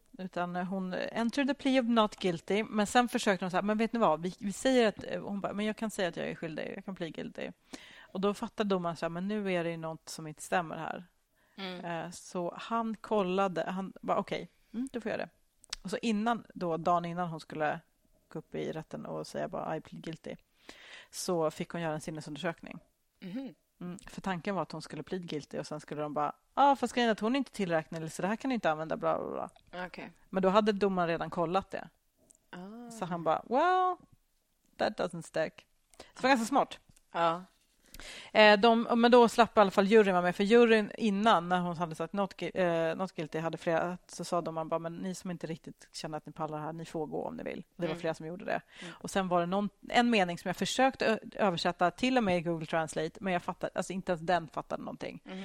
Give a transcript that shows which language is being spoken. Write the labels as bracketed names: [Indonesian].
[Swedish] Utan hon [English] entered the plea of not guilty. [Swedish] Men sen försökte hon så här, men vet ni vad? Vi säger att, hon bara, men jag kan säga att jag är skyldig. Jag kan bli guilty. Och då fattade domaren så här, men nu är det något som inte stämmer här. Så han kollade, han bara, okej, då får jag det. Och så innan, då, dagen innan hon skulle gå upp i rätten och säga bara, [English] I plead guilty. [Swedish] Så fick hon göra en sinnesundersökning. För tanken var att hon skulle [English] plead guilty [Swedish] och sen skulle de bara, fast grejen att hon är inte tillräknelig så det här kan du inte använda, bla bla bla. [English] Okay. [Swedish] Men då hade domaren redan kollat det. Oh. Så han bara, [English] well, that doesn't stick. [Swedish] Så det var ganska smart. Men då slapp i alla fall juryn med, för juryn innan när hon hade sagt [English] not guilty [Swedish] hade flera, så sa de bara, men ni som inte riktigt känner att ni pallar här, ni får gå om ni vill. Och det var flera som gjorde det. Och sen var det en mening som jag försökte översätta till och med i Google Translate, men jag fattade, alltså inte ens den fattade någonting.